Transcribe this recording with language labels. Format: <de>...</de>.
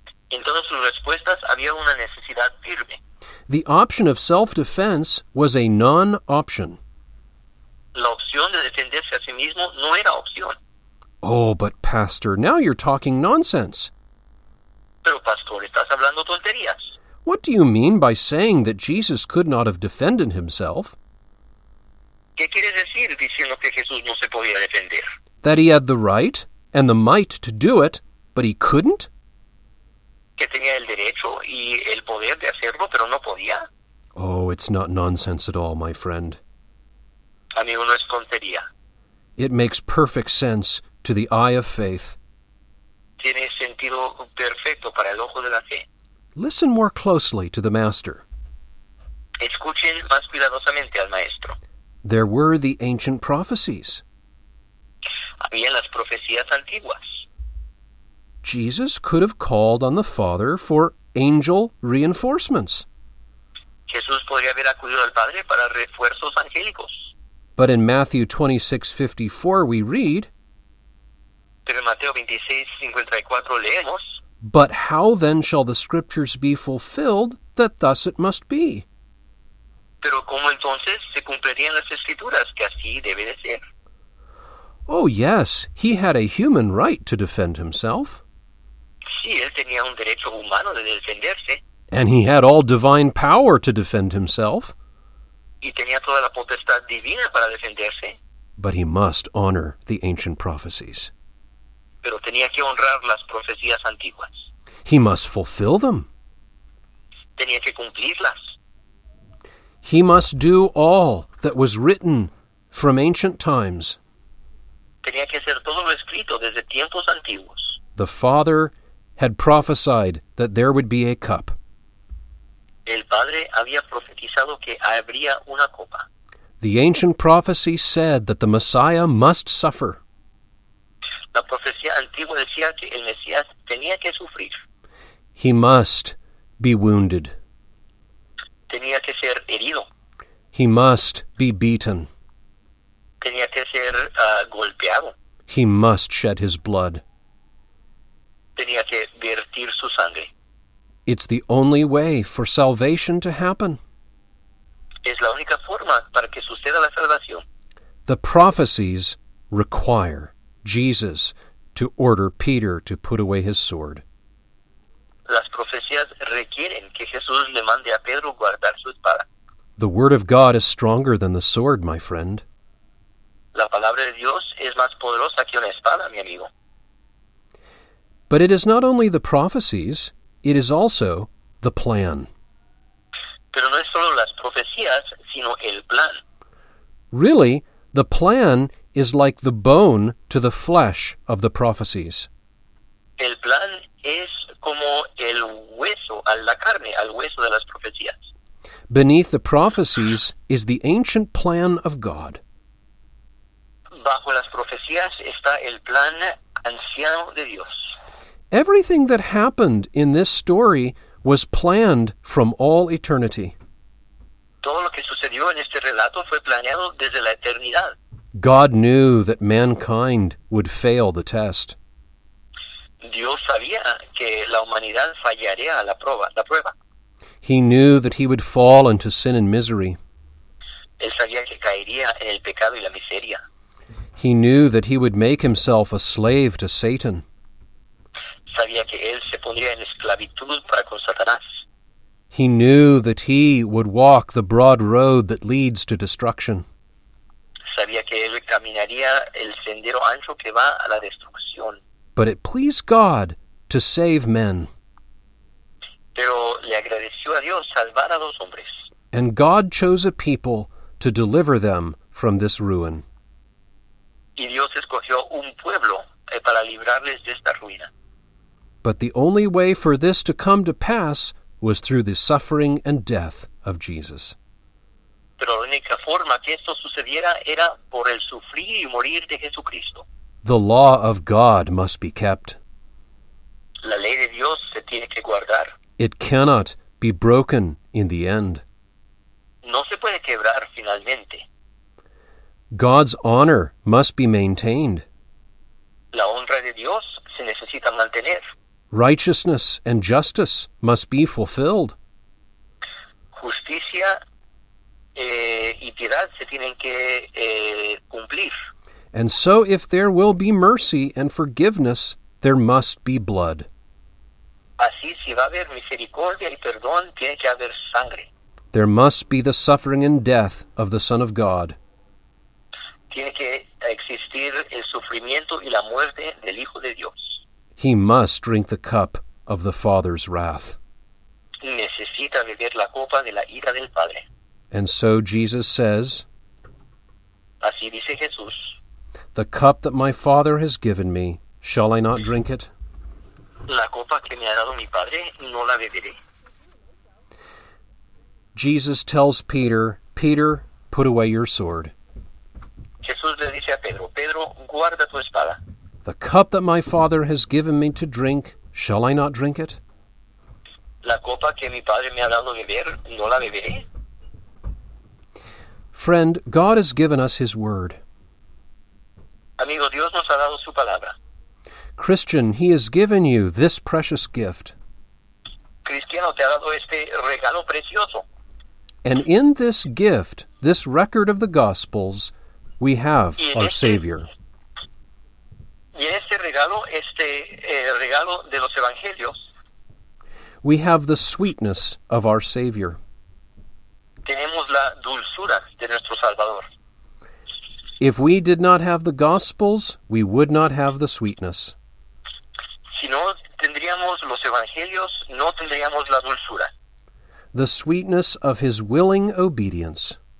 <es>En todas sus respuestas había una necesidad firme.</es> <en>The option of self-defense was a non-option.</en> <es>La opción de defenderse a sí mismo no era opción.</es> <en>Oh, but Pastor, now you're talking nonsense.</en> <es>Pero Pastor, estás hablando tonterías.</es> <en>What do you mean by saying that Jesus could not have defended himself?</en> <es>¿Qué quiere decir diciendo que Jesús no se podía defender?</es> <en>That he had the right and the might to do it, but he couldn't?</en> <es>Que tenía el derecho y el poder de hacerlo, pero no podía.</es> <en>Oh, it's not nonsense at all, my friend.</en> <es>Amigo, no es tontería.</es> <en>It makes perfect sense to the eye of faith.</en> <es>Tiene sentido perfecto para el ojo de la fe.</es> <en>Listen more closely to the Master.</en> <es>Escuchen más cuidadosamente al Maestro.</es> <en>There were the ancient prophecies.</en> <es>Había las profecías antiguas.</es> <en>Jesus could have called on the Father for angel reinforcements.</en> <es>Jesús podría haber acudido al Padre para refuerzos angélicos.</es> <en>But in Matthew 26:54 we read,</en> <es>pero en Mateo 26:54 leemos,</es> <en>but how then shall the scriptures be fulfilled that thus it must be?</en> <es>Pero ¿cómo entonces se cumplirían las escrituras que así debe de ser?</es> <en>Oh, yes, he had a human right to defend himself.</en> <es>Sí, él tenía un derecho humano de defenderse.</es> <en>And he had all divine power to defend himself.</en> <es>Y tenía toda la potestad divina para defenderse.</es> <en>But he must honor the ancient prophecies.</en> <es>Pero tenía que honrar las profecías antiguas.</es> <en>He must fulfill them.</en> <es>Tenía que cumplirlas.</es> <en>He must do all that was written from ancient times.</en> <es>Tenía que hacer todo lo escrito desde tiempos antiguos.</es> <en>The Father had prophesied that there would be a cup.</en> <es>El Padre había profetizado que habría una copa.</es> <en>The ancient prophecy said that the Messiah must suffer.</en> <es>La profecía antigua decía que el Mesías tenía que sufrir.</es> <en>He must be wounded.</en> <es>Tenía que ser herido.</es> <en>He must be beaten.</en> <es>Tenía que ser golpeado.</es> <en>He must shed his blood.</en> <es>Tenía que vertir su sangre.</es> <en>It's the only way for salvation to happen.</en> <es>Es la única forma para que suceda la salvación.</es> <en>The prophecies require Jesus to order Peter to put away his sword.</en> <es>Las profecías requieren que Jesús le mande a Pedro guardar su espada.</es> <en>The word of God is stronger than the sword, my friend.</en> <es>La palabra de Dios es más poderosa que una espada, mi amigo.</es> <en>But it is not only the prophecies, it is also the plan.</en> <es>Pero no es solo las profecías, sino el plan.</es> <en>Really, the plan is like the bone to the flesh of the prophecies.</en> <es>El plan es como el hueso a la carne, al hueso de las profecías.</es> <en>Beneath the prophecies is the ancient plan of God.</en> <es>Bajo las profecías está el plan anciano de Dios.</es> <en>Everything that happened in this story was planned from all eternity.</en> <es>Todo lo que sucedió en este relato fue planeado desde la eternidad.</es> <en>God knew that mankind would fail the test.</en> <es>Dios sabía que la humanidad fallaría a la prueba.</es> <en>He knew that he would fall into sin and misery.</en> <es>Él sabía que caería en el pecado y la miseria.</es> <en>He knew that he would make himself a slave to Satan.</en> <es>Sabía que él se pondría en esclavitud para con Satanás.</es> <en>He knew that he would walk the broad road that leads to destruction.</en> <es>Sabía que él caminaría el sendero ancho que va a la destrucción.</es> <en>But it pleased God to save men.</en> <es>Pero le agradeció a Dios salvar a dos hombres.</es> <en>And God chose a people to deliver them from this ruin.</en> <es>Y Dios escogió un pueblo para librarles de esta ruina.</es> <en>But the only way for this to come to pass was through the suffering and death of Jesus.</en> <es>Pero la única forma que esto sucediera era por el sufrir y morir de Jesucristo.</es> <en>The law of God must be kept.</en> <es>La ley de Dios se tiene que guardar.</es> <en>It cannot be broken in the end.</en> <es>No se puede quebrar finalmente.</es> <en>God's honor must be maintained.</en> <es>La honra de Dios se necesita mantener.</es> <en>Righteousness and justice must be fulfilled.</en> <es>Justicia y piedad se tienen que cumplir.</es> <en>And so if there will be mercy and forgiveness, there must be blood.</en> <es>Así, si va a haber misericordia y perdón, tiene que haber sangre.</es> <en>There must be the suffering and death of the Son of God.</en> <es>Tiene que existir el sufrimiento y la muerte del Hijo de Dios.</es> <en>He must drink the cup of the Father's wrath.</en> <es>Necesita beber la copa de la ira del Padre.</es> <en>And so Jesus says,</en> <es>así dice Jesús,</es> <en>the cup that my Father has given me, shall I not drink it?</en> <es>La copa que me ha dado mi Padre, no la beberé.</es> <en>Jesus tells Peter, Peter, put away your sword.</en> <es>Jesús le dice a Pedro, Pedro, guarda tu espada.</es> <en>The cup that my Father has given me to drink, shall I not drink it?</en> <es>La copa que mi Padre me ha dado beber, no la beberé.</es> <en>Friend, God has given us His Word.</en> <es>Amigo, Dios nos ha dado su palabra.</es> <en>Christian, He has given you this precious gift.</en> <es>Cristiano, te ha dado este regalo precioso.</es> <en>And in this gift, this record of the Gospels, we have our Savior.</en> <es>Y en este regalo, este regalo de los evangelios,</es> <en>we have the sweetness of our Savior.</en> <es>Tenemos la dulzura de nuestro Salvador.</es> <en>If we did not have the Gospels, we would not have the sweetness.</en> <es>Si no tendríamos los evangelios, no tendríamos la dulzura.</es> <en>The sweetness of His willing obedience.</en>